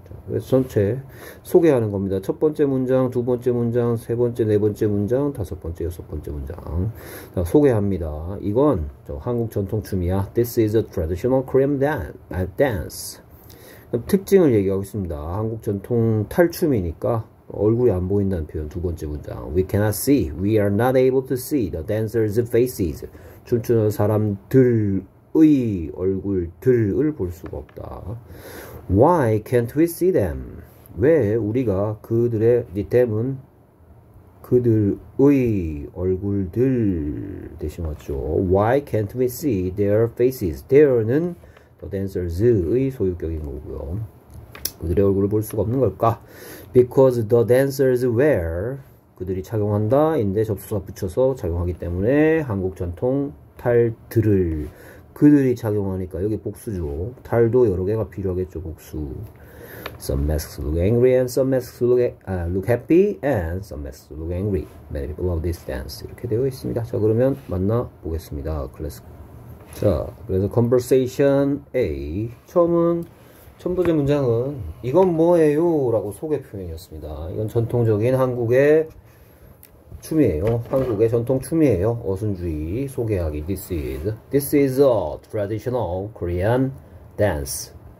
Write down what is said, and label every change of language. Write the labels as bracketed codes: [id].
[ko] 자, 전체 소개하는 겁니다. 첫 번째 문장, 두 번째 문장, 세 번째, 네 번째 문장, 다섯 번째, 여섯 번째 문장. 자, 소개합니다. 이건 저 한국 전통춤이야. [en] This is a traditional Korean dance. [ko] 특징을 얘기하고 있습니다. 한국 전통 탈춤이니까 얼굴이 안 보인다는 표현. [en] 두 번째 문장. We cannot see. We are not able to see the dancers' faces. [ko] 춤추는 사람들. 의 얼굴들을 볼 수가 없다. Why can't we see them? 왜 우리가 그들의 the them은 그들의 얼굴들 대신 맞죠? [en] Why can't we see their faces? Their는 the dancers의 소유격인 거고요. [ko] 그들의 얼굴을 볼 수가 없는 걸까? Because the dancers wear 그들이 착용한다인데 접속사 붙여서 착용하기 때문에 한국 전통 탈들을 그들이 착용하니까 여기 복수죠. 탈도 여러 개가 필요하겠죠. 복수. [en] Some masks look angry and some masks look happy and some masks look angry. Many people love this dance. 이렇게 되어 있습니다. [ko] 자, 그러면 만나 보겠습니다. 클래스. 자, 그래서 conversation A. 처음은 첫 번째 문장은 이건 뭐예요?라고 소개 표현이었습니다. 이건 전통적인 한국의 춤이에요. 한국의 전통 춤이에요. 어순주의 소개하기. This is a traditional Korean dance.